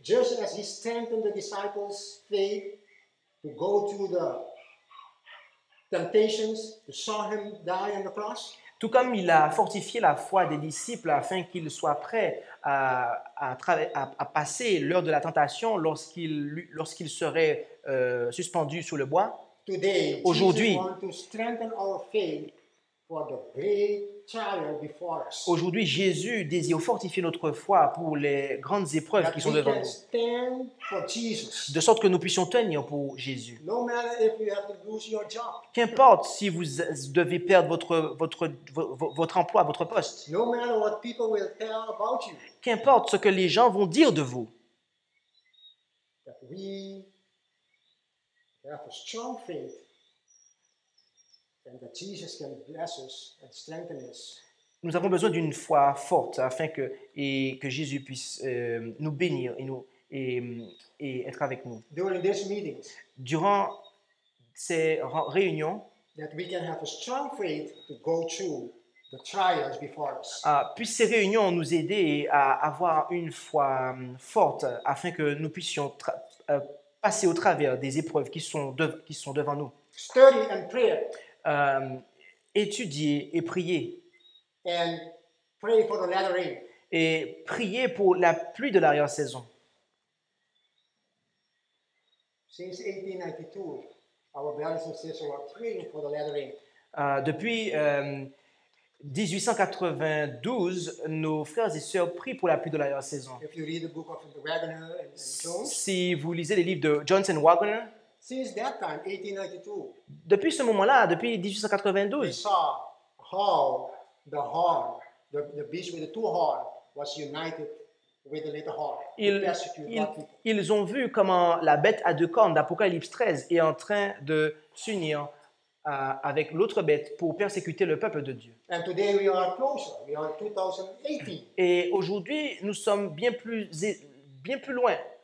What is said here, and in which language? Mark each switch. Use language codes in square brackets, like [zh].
[en] Just as he strengthened the disciples' faith to go to the temptations, to saw him die on the cross. [fr] Tout comme il a fortifié la foi des disciples afin qu'ils soient prêts à passer l'heure de la tentation lorsqu'il serait suspendu sous le bois. [en] Today, [fr] aujourd'hui, [en] Jesus wants to strengthen our faith for the great trial before us. [fr] Aujourd'hui, Jésus désire fortifier notre foi pour les grandes épreuves [en] that [fr] qui sont devant nous. De sorte que nous puissions tenir pour Jésus. [en] No matter if you have to lose your job. [fr] Qu'importe si vous devez perdre votre emploi, votre poste. [en] No matter what people will tell about you. [fr] Qu'importe ce que les gens vont dire de vous. [en] That we have a strong faith. And that Jesus can bless us and strengthen us. [fr] Nous avons besoin d'une foi forte afin que Jésus puisse nous bénir et être avec nous. [en] During this meeting, [fr] durant ces réunions, [en] that we can have a strong faith to go through the trials before us. [fr] Puissent ces réunions nous aider à avoir une foi forte afin que nous puissions passer au travers des épreuves qui sont devant nous. [en] Study and prayer. [fr] Étudier et prier. [en] And pray for the latter rain. [fr] Et prier pour la pluie de l'arrière-saison. [en] Since 1892, our brothers and sisters were praying for the latter rain. [fr] Depuis 1892, nos frères et sœurs prient pour la pluie de l'arrière-saison. [en] If you read the book of Wagner and Jones, [fr] si vous lisez les livres de Jones and Wagner, [en] since that time, 1892, [fr] depuis ce moment-là, depuis 1892, [en] we saw how the horn, the beast with the two horns, was united with the little horn. [fr] Ils ont vu comment la bête à deux cornes d'Apocalypse 13 est en train de s'unir avec l'autre bête pour persécuter le peuple de Dieu. [en] And today we are closer. We are 2018. [fr] Et aujourd'hui, nous sommes bien plus loin.